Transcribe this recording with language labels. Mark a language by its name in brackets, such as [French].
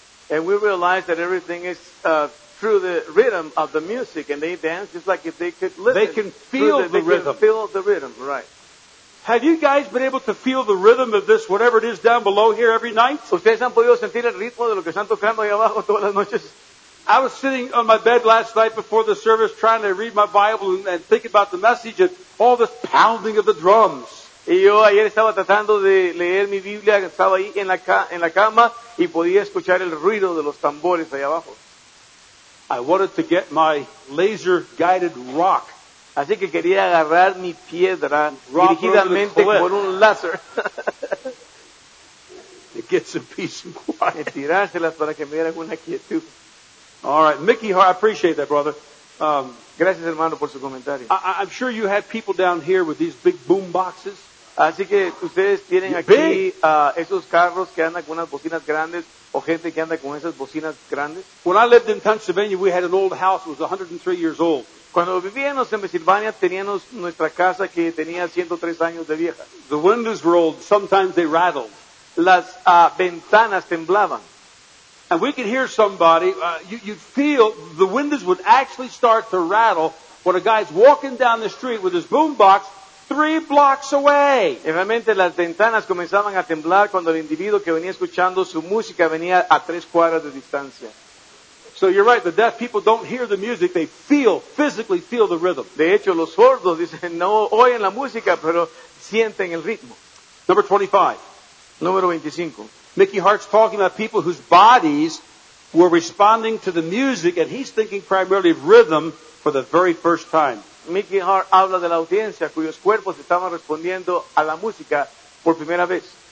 [English] And we realize that everything is through the rhythm of the music, and they dance just like if they could listen. They can feel the rhythm. They can feel the rhythm, right. Have you guys been able to feel the rhythm of this, whatever it is down below here every night? [Spanish] ¿Ustedes han podido sentir el ritmo de lo que están tocando ahí abajo todas las noches? [English] I was sitting on my bed last night before the service trying to read my Bible and think about the message and all this pounding of the drums. [Spanish] Y yo ayer estaba tratando de leer mi Biblia, estaba ahí en la cama y podía escuchar el ruido de los tambores ahí abajo. [English] I wanted to get my laser guided rock. [Spanish] Así que quería agarrar mi piedra dirigidamente con un láser. [English] To get some peace and quiet. [Spanish] Tirárselas para que me dieran una quietud. [English] All right, Mickey Hart, I appreciate that, brother. [Spanish] Gracias, hermano, por su comentario. [English] I'm sure you have people down here with these big boom boxes. [Spanish] Así que ustedes tienen aquí esos carros que andan con unas bocinas grandes o gente que anda con esas bocinas grandes. [English] When I lived in Pennsylvania, we had an old house that was 103 years old. [Spanish] Cuando vivíamos en Pennsylvania, teníamos nuestra casa que tenía 103 años de vieja. [English] The windows were old. Sometimes they rattled. [Spanish] Las ventanas temblaban. [English] And we could hear somebody, you'd feel the windows would actually start to rattle when a guy's walking down the street with his boombox. Three blocks away. [Spanish] Y realmente las ventanas comenzaban a temblar cuando el individuo que venía escuchando su música venía a tres cuadras de distancia. [English] So you're right, the deaf people don't hear the music, they feel, physically feel the rhythm. [Spanish] De hecho, los sordos dicen, no oyen la música, pero sienten el ritmo. [English] Number 25. [Spanish] Número 25. [English] Mickey Hart's talking about people whose bodies were responding to the music, and he's thinking primarily of rhythm for the very first time. [Spanish] Mickey Hart habla de la audiencia cuyos cuerpos estaban respondiendo a la música por primera vez.